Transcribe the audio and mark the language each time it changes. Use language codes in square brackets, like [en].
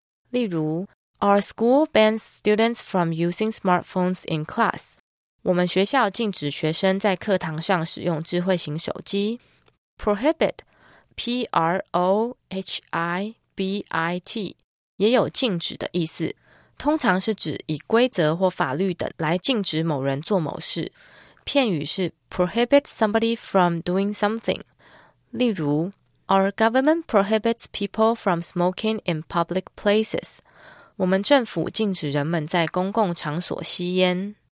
[zh] 例如 [en] Our school bans students from using smartphones in class. [zh] 我们学校禁止学生在课堂上使用智慧型手机。 Prohibit, P-R-O-H-I-B-I-T, 也有禁止的意思，通常是指以规则或法律等来禁止某人做某事。片语是 [en] prohibit somebody from doing something. [zh] 例如 [en] Our government prohibits people from smoking in public places. [zh] 我们政府禁止人们在公共场所吸烟。